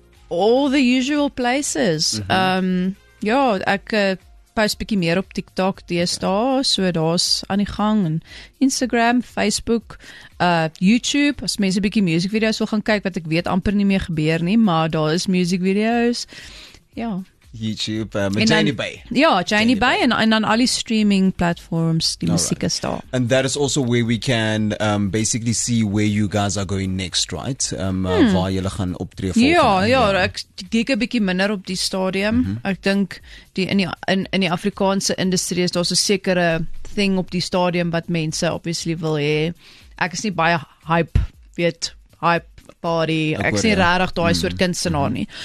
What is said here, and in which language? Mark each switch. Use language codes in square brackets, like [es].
[af] All the usual places. Mm-hmm. Ja, ek post bietjie meer op TikTok deesdae, so daar's aan die gang en Instagram, Facebook, YouTube, as mense bietjie music videos wil gaan kyk wat ek weet amper nie meer gebeur nie, maar daar is music videos. Ja. YouTube, Janie Bay. Ja, Janie Bay en dan al die streaming platforms die musiek is daar. [en] And that is also where we can basically see where you guys are going next, right? [af] Waar julle gaan optree volgende. Ja, ek kyk 'n bietjie minder op die stadium. Mm-hmm. Ek dink in die Afrikaanse industrie is daar so 'n sekere thing op die stadium wat mense obviously wil hê. Ek is nie baie hype, weet, hype party. Ek sien rarig daai soort kunstenaar nie.